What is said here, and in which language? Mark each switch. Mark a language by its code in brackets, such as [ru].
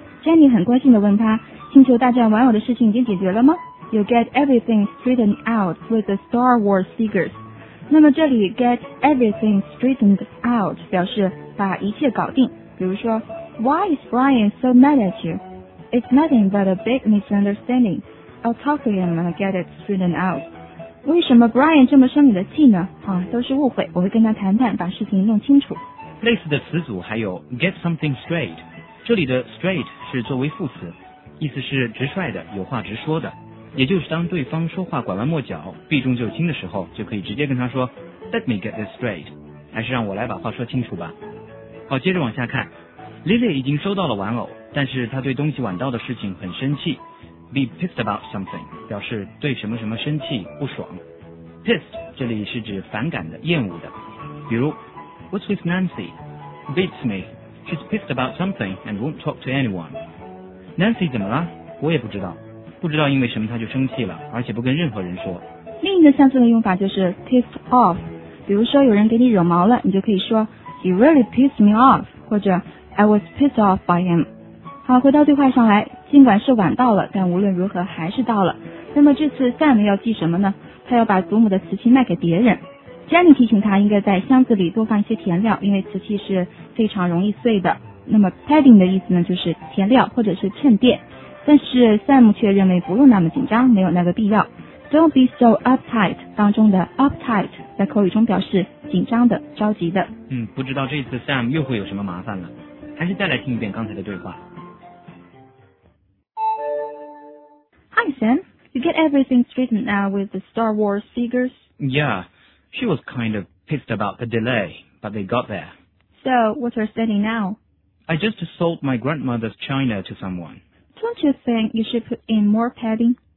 [zh] Jenny 很关心地问他，星球大战玩偶的事情已经解决了吗？ [en] You get everything straightened out with the Star Wars figures. [zh] 那么这里 [en] get everything straightened out [zh] 表示把一切搞定，比如说 [en] Why is Brian so mad at you? It's nothing but a big misunderstanding. I'll talk to him and get it straightened out. [zh] 为什么 Brian 这么生你的气呢？啊，都是误会，我会跟他谈谈，把事情弄清楚。类似的词组还有 [en] get something straight， [zh] 这里的 straight 是作为副词，意思是直率的，有话直说的，也就是当对方说话拐弯抹角，避重就轻的时候，就可以直接跟他说 [en] Let me get this straight， [zh] 还是让我来把话说清楚吧。好，接着往下看， Lily 已经收到了玩偶，但是她对东西晚到的事情很生气。 [en] Be pissed about something [zh] 表示对什么什么生气不爽。 Pissed 这里是指反感的厌恶的，比如 [en] What's with Nancy? Beats me. She's pissed about something and won't talk to anyone. [zh] Nancy 怎么了？我也不知道，不知道因为什么她就生气了，而且不跟任何人说。另一个相似的用法就是 pissed off， 比如说有人给你惹毛了，你就可以说 [en] He really pissed me off， [zh] 或者 [en] I was pissed off by him。 [zh] 好，回到对话上来，尽管是晚到了，但无论如何还是到了。那么这次 Sam 要寄什么呢？他要把祖母的瓷器卖给别人。 Jenny 提醒他应该在箱子里多放一些填料，因为瓷器是非常容易碎的。那么 padding 的意思呢，就是填料或者是衬垫，但是 Sam 却认为不用那么紧张，没有那个必要。 [en] Don't be so uptight [zh] 当中的 uptight 在口语中表示紧张的、着急的。不知道这次 Sam 又会有什么麻烦了，还是再来听一遍刚才的对话。 [en] Hi, Sam. You get everything straightened out with the Star Wars figures? Yeah. She was kind of pissed about the delay, but they got there. So, what's her standing now? I just sold my grandmother's china to someone. Don't you think you should put in more padding?